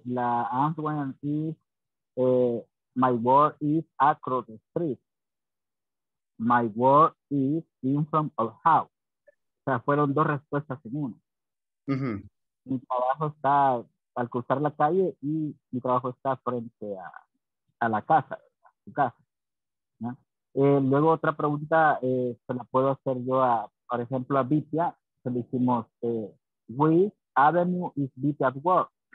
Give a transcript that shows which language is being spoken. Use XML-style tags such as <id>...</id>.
<en>La answer is, my work is across the street. My work is in front of the house.</en> <es>O sea, fueron dos respuestas en una. Uh-huh. Mi trabajo está al cruzar la calle y mi trabajo está frente a la casa, a su casa, ¿no? Luego otra pregunta se la puedo hacer yo a, por ejemplo, a Vitia. Se le hicimos,</es> <en>which avenue is Vitia's work?</en>